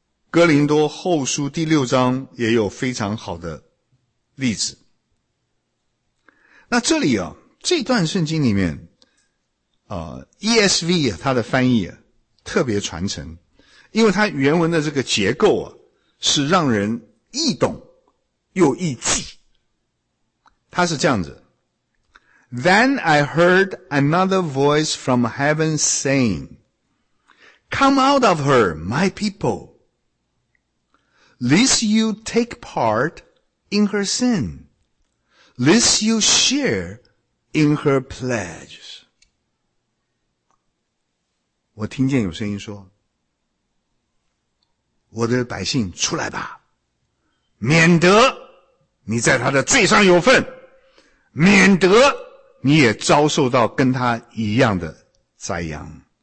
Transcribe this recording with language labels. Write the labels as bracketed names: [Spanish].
[Chinese] 哥林多后书第六章也有非常好的例子。那这里啊，这段圣经里面ESV 啊，它的翻译啊特别传承，因为它原文的这个结构啊是让人易懂又易记。它是这样子： [English] Then I heard another voice from heaven saying, Come out of her, my people,Lest you take part in her sin, lest you share in her pledges. [Chinese] 我听见有声音说，我的百姓出来吧，免得你在他的罪上有份，免得你也遭受到跟他一样的灾殃。